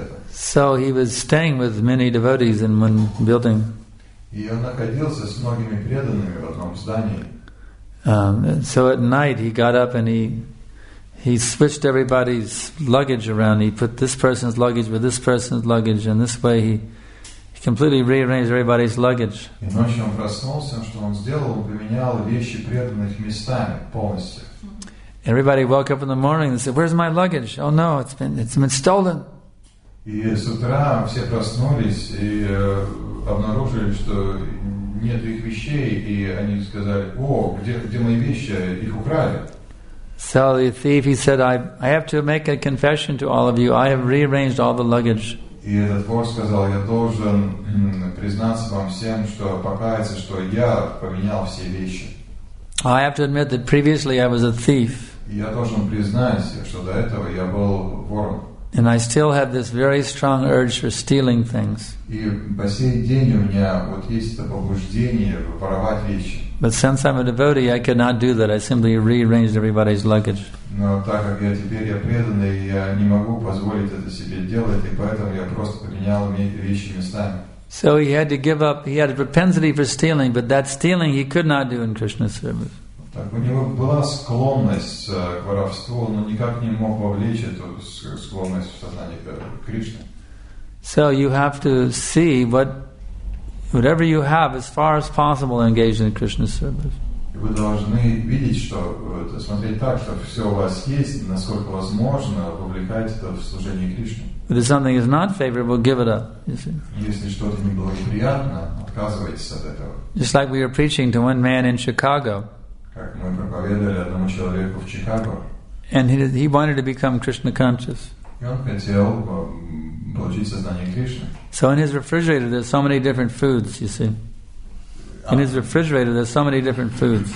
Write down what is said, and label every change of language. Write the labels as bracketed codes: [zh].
[en] So he was staying with many devotees in one building. [ru] И он находился с многими преданными в одном здании. [en] So at night he got up and he switched everybody's luggage around. He put this person's luggage with this person's luggage, and this way he completely rearranged everybody's luggage. [ru] И ночью он проснулся, что он сделал, он поменял вещи преданных местами полностью. [en] Everybody woke up in the morning and said, "Where's my luggage? Oh no, it's been stolen." [ru] И с утра все проснулись и обнаружили, что нет их вещей, и они сказали: "О, где мои вещи? Их украли." [en] So the thief, he said, "I have to make a confession to all of you. I have rearranged all the luggage." [ru] И этот вор сказал: "Я должен признаться вам всем, что покаяться, что я поменял все вещи." [en] I have to admit that previously I was a thief. [ru] Я должен признаться, что до этого я был вором. [en] And I still have this very strong urge for stealing things. [ru] И по сей день у меня вот есть это побуждение воровать вещи. [en] But since I'm a devotee, I could not do that. I simply rearranged everybody's luggage. [ru] Но так как я теперь преданный, я не могу позволить это себе делать, и поэтому я просто поменял вещи местами. [en] So he had to give up. He had a propensity for stealing, but that stealing he could not do in Krishna's service. [ru] Так у него была склонность к воровству, но никак не мог вовлечь эту склонность в сознание Кришны. [en] So you have to see whatever you have as far as possible engaged in Krishna's service. [ru] Вы должны видеть, что смотреть так, что все у вас есть, насколько возможно, вовлекать это в служение Кришне. [en] If something is not favorable, give it up. You see. [ru] Если что-то неблагоприятно, отказывайтесь от этого. [en] Just like we were preaching to one man in Chicago. [ru] Как мы проповедовали одному человеку в Чикаго. [en] And he wanted to become Krishna conscious. [ru] И он хотел получить сознание Кришны. [en] So in his refrigerator there's so many different foods, you see. In his refrigerator there's so many different foods.